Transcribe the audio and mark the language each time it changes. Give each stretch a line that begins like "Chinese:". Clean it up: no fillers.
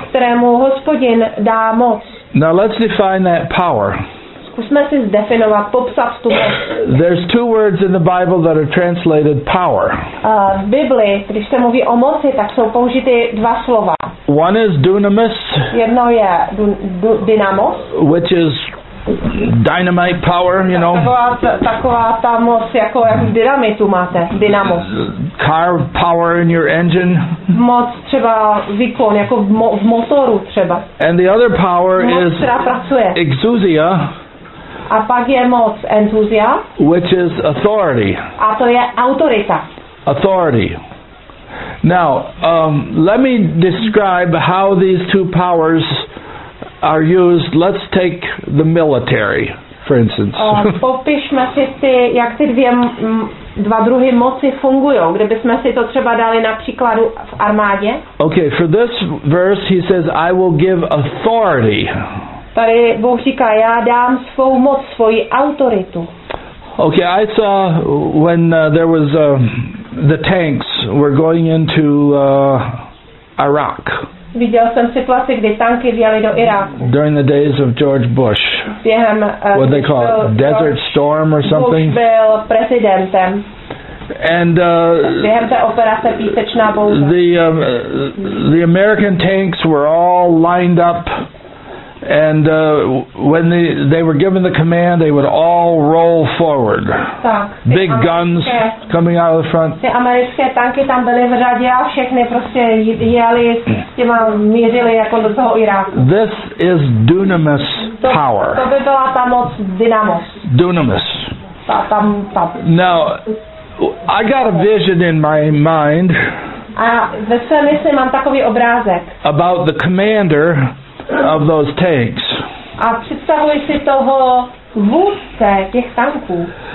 Czech: Kterému Hospodin dá moc.
English: Now let's define that power.
Czech: Zkusme si zdefinovat, popsat tu moc.
English: There's two words in the Bible that are translated power.
Czech: V Bibli, když se mluví o moci, tak jsou použity dva slova.
English: One is dunamis.
Czech: Jedno je dynamos.
English: Which is dynamite power, you know.
Czech: Taková ta moc, jako dynamitu máte, dynamos.
English: Car power in your engine.
Czech: Moc třeba výkon, jako v motoru třeba.
English: And the other power
Czech: moc,
English: is
Czech: která pracuje.
English: Exousia.
Czech: A pak je moc, entuzia.
English: Which is authority.
Czech: A to je autorita.
English: Authority. Now, let me describe how these two powers are used. Let's take the military, for instance.
Czech: Popišme si ty, jak ty dva druhy moci fungují. Kdybychom si to třeba dali na příkladu v armádě.
English: Okay, for this verse he says, I will give authority.
Czech: Tady Bůh říká, já dám svou moc, svoji autoritu.
English: Okay, I saw when there was the tanks were going into Iraq.
Czech: Viděl jsem situaci, kdy tanky vjeli do Iráku.
English: During the days of George Bush.
Czech: Během,
English: what they call it, Desert Storm or something.
Czech: Bush byl prezidentem.
English: And
Czech: během té operace Písečná bouře.
English: The American tanks were all lined up. And when they were given the command, they would all roll forward. Big guns coming out of the front.
Czech: Ty americké tanky tam byly v řadě a všechny prostě jeli s těma mířili jako do toho Iráku.
English: This is dunamis power.
Czech: To by byla ta moc dynamos.
English: Dunamis.
Czech: Tam.
English: Now, I got a vision in my mind.
Czech: A ve své mysli mám takový obrázek.
English: About the commander of those tanks.
Czech: A představuji si toho vůdce těch tanků.